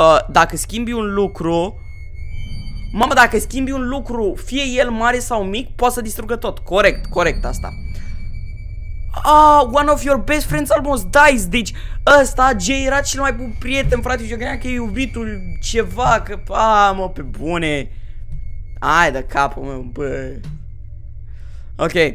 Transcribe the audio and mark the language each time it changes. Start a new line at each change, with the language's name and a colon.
Romanian: Dacă schimbi un lucru, mamă, dacă schimbi un lucru, fie el mare sau mic, poate să distrugă tot. Corect, corect asta.
English: One of your best friends almost dies.
Romanian: Deci ăsta, Jay, era cel mai bun prieten, frate. Și eu credeam că e iubitul ceva, că, mă, pe bune. Ai de capul meu, bă. Ok.